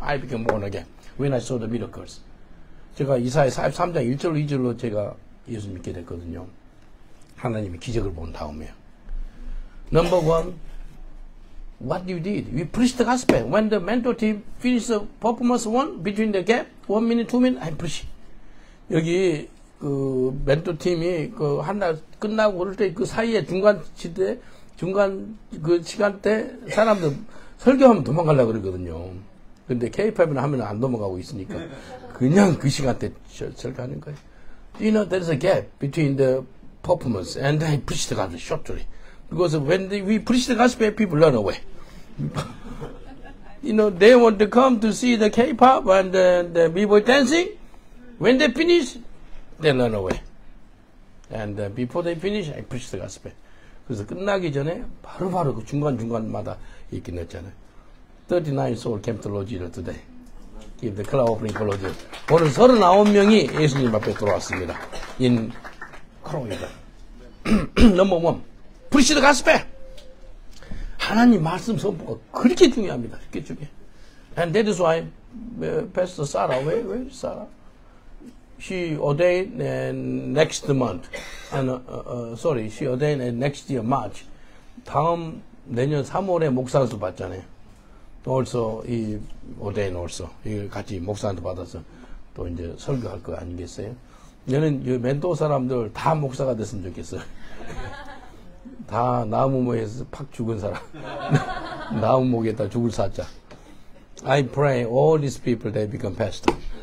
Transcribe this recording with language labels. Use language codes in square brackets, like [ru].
[en] I become born again when I saw the miracles. [ko] 제가 이사야 43장 1절로 2절로 제가 예수 믿게 됐거든요. 하나님의 기적을 본 다음에. [en] Number one. What you did? We preached the gospel. When the mentor team finished the performance one, between the gap, 1 minute, 2 minutes, I preach. [ko] 여기, 그, 멘토 팀이, 그, 하나 끝나고 그럴 때, 그 사이에 중간 시대, 중간 그 시간 때, 사람들 설교하면 도망가려고 그러거든요. 근데 K-POP이나 하면 안 도망가고 있으니까, 그냥 그 시간 때 설교하는 거예요. [en] You know, there's a gap between the performance and I preached the gospel shortly. Because when we preach the gospel, people run away. You know, they want to come to see the K-pop and the b-boy dancing. When they finish, they run away. And before they finish, I preach the gospel. [ko] 그래서 끝나기 전에 바로바로 그 중간중간마다 이렇게 냈잖아요. [en] 39 soul came to Lord Jesus today. Give the cloud offering for Lord Jesus. [ko] 오늘 39명이 예수님 앞에 들어왔습니다. [en] In Korea. Number one. Preach the gospel. [ko] 하나님 말씀 선포가 그렇게 중요합니다. 그렇게 중요해. [en] And that is why Pastor Sarah, where is Sarah? She ordained next month. And sorry, she ordained next year March. [ko] 다음 내년 3월에 목사한테 받잖아요. [en] Also, he ordained also. [ko] 같이 목사한테 받아서 또 이제 설교할 거 아니겠어요? 얘는 이 멘토 사람들 다 목사가 됐으면 좋겠어요. 다 나무목에서 팍 죽은 사람. 나무목에다 죽을 사자. [en] I pray all these people they become pastor.